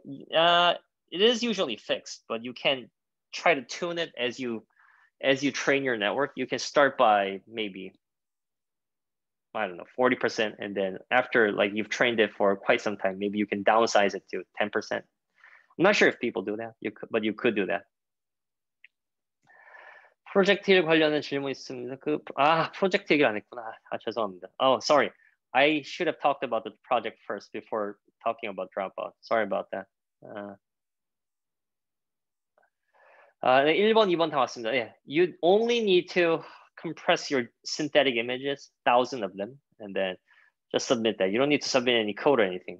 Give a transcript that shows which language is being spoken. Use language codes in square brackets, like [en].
[en] It is usually fixed, but you can try to tune it as you train your network. You can start by maybe, I don't know, 40%. And then after, like, you've trained it for quite some time, maybe you can downsize it to 10%. I'm not sure if people do that, but you could do that. [ko] 프로젝트 관련한 질문 있습니다. 그, 아, 프로젝트 얘기를 안 했구나. 아, 죄송합니다. [en] Oh, sorry. I should have talked about the project first before talking about Dropout. Sorry about that. [ko] 네, 1번, 2번 다 왔습니다. Yeah. [en] You only need to compress your synthetic images, 1,000 of them, and then just submit that. You don't need to submit any code or anything.